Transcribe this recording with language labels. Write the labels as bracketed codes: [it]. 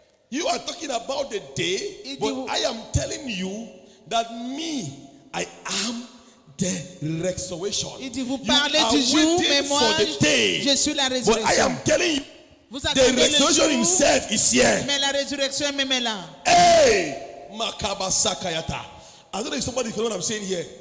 [en] You are talking about the day, but I am telling you that me, I am the resurrection. [fr] Il dit, vous parlez du jour, mais moi, je suis la résurrection. [en] But I am telling you, the resurrection himself is here. [fr] Mais la résurrection est même là. Hey! Makabasakayata. [en] I don't know if somebody follows what I'm saying here.